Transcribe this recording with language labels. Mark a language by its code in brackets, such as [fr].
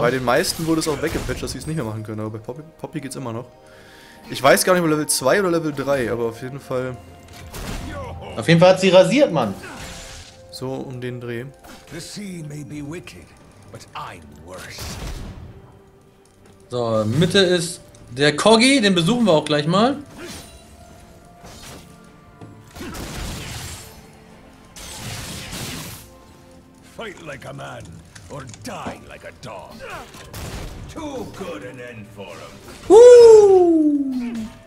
[de] Bei den meisten wurde es auch weggepatcht, dass sie es nicht mehr machen können, aber bei Poppy geht's immer noch. Ich weiß gar nicht, ob Level 2 oder Level 3, aber auf jeden Fall. Auf jeden Fall hat sie rasiert, Mann. So um den Dreh. [en] The sea may be wicked, but I'm worse. [de] So, Mitte ist der Corgi, den besuchen wir auch gleich mal. [en] Fight like a man or die like a dog. Too good an end for him.